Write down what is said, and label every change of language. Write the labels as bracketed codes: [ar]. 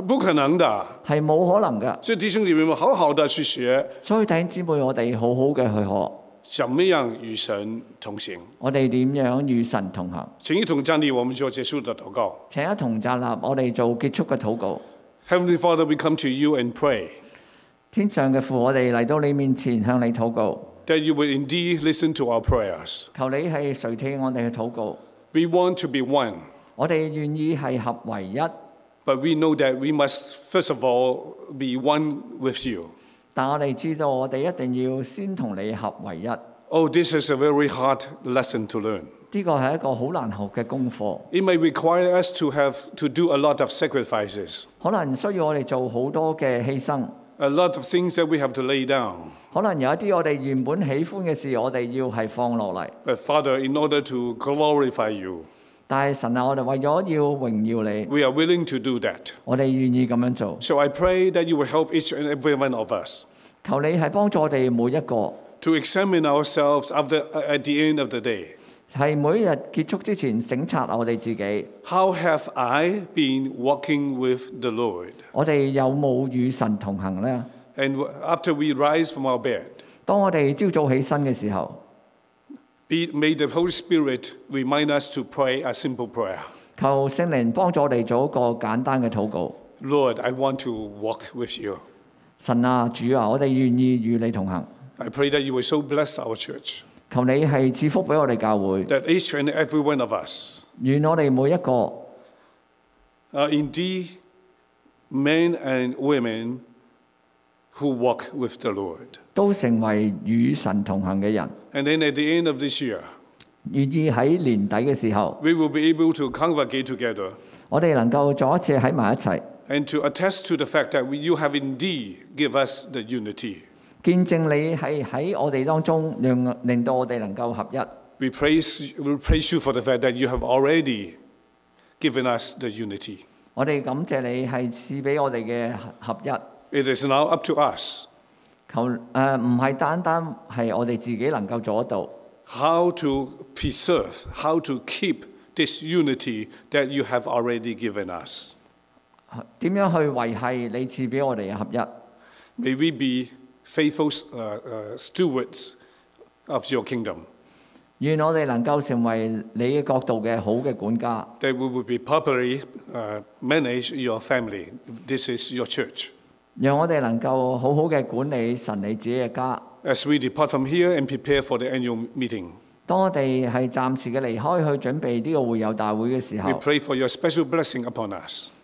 [zh] 不可能的，是没可能的。所以弟兄姐妹好好的去学，所以弟兄姊妹我们好好的去学，怎么样与神同行，我们怎样与神同行。请一同站立，我们做结束的祷告。请一同站立，我们做结束的祷告。 [en] Heavenly Father, we come to you and pray. [zh] 天上的父，我们来到你面前向你祷告。 [en] That you will indeed listen to our prayers. [zh] 求你是垂听我们的祷告。 [en] We want to be one. [zh] 我们愿意是合为一。 [en] But we know that we must first of all be one with you. [zh] 但我们知道我们一定要先跟你合为一。 [en] Oh, this is a very hard lesson to learn. [zh] 这个是一个很难学的功课。 [en] It may require us to do a lot of sacrifices. [zh] 可能需要我们做很多的牺牲。 [en] A lot of things that we have to lay down. [zh] 可能有一些我们原本喜欢的事我们要是放下来。 [en] But Father, in order to glorify you, [zh] 但是神啊，我们为了要荣耀你， [en] We are willing to do that. [zh] 我们愿意这样做。 [en] So I pray that you will help each and every one of us. [zh] 求你是帮助我们每一个。 [en] To examine ourselves at the end of the day. [zh] 是每日结束之前省察我们自己。 [en] How have I been walking with the Lord? [zh] 我们有没有与神同行呢？ [en] And after we rise from our bed, [zh] 当我们早上起身的时候， [en] May the Holy Spirit remind us to pray a simple prayer. [zh] 求圣灵帮助我们做一个简单的祷告。 [en] Lord, I want to walk with you. [zh] 神啊，主啊，我们愿意与你同行。 [en] I pray that you will so bless our church. [zh] 求你是赐福给我们教会。 [en] That each and every one of us, [zh] 愿我们每一个 [en] are indeed men and women who walk with the Lord. [zh] 都成为与神同行的人。 [en] And then at the end of this year, [zh] 愿意在年底的时候， [en] we will be able to congregate together, [zh] 我们能够再一次在一起， [en] and to attest to the fact that you have indeed given us the unity, [zh] 见证你是在我们当中令到我们能够合一。 [en] We praise you for the fact that you have already given us the unity. [zh] 我们感谢你是赐给我们的合一。 [en] It is now up to us. [zh] 不是单单是我们自己能够做得到。 [en] How to preserve, how to keep disunity that you have already given us. [zh] 怎樣去維繫你賜給我們的合一? [en] May we be faithful stewards of your kingdom. [zh] 願我們能夠成為你的角度的好的管家。 [en] That we will be properly manage your family. This is your church. [zh] 讓我們能夠好好的管理神你自己的家。 [en] As we depart from here and prepare for the annual meeting, [zh] 當我們是暫時的離開去準備這個會友大會的時候, [en] we pray for your special blessing upon us.